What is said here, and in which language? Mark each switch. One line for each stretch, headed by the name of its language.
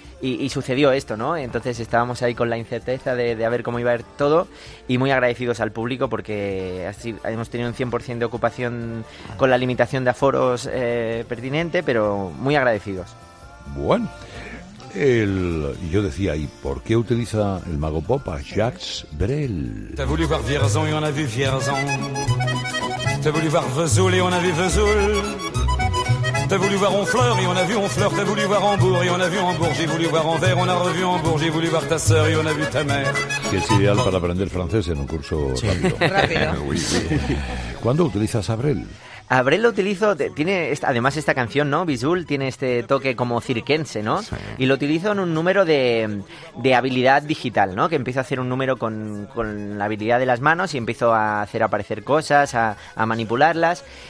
Spanish: Y sucedió esto, ¿no? Entonces estábamos ahí con la incerteza de a ver cómo iba a ir todo y muy agradecidos al público porque así hemos tenido un 100% de ocupación con la limitación de aforos pertinente, pero muy agradecidos. Bueno, yo decía, ¿y por qué utiliza el mago pop a Jacques Brel?
French: T'as voulu voir Vierzon y on a vu Vierzon. T'as voulu voir Vesoul y on a vu Vesoul. T'as voulu voir Honfleur et on a vu Honfleur. T'as voulu voir Hambourg et on a vu Hambourg. J'ai voulu voir Anvers, on a revu Hambourg. J'ai voulu voir ta sœur et on a vu ta mère.
Spanish: Que es ideal para aprender francés en un curso rápido. ¿Cuándo utilizas a Brel? A Brel lo utilizo, tiene además esta canción, ¿no? Bisul tiene este toque como cirquense, ¿no? Sí. Y lo utilizo en un número de habilidad digital, ¿no? Que empiezo a hacer un número con la habilidad de las manos y empiezo a hacer aparecer cosas, a manipularlas.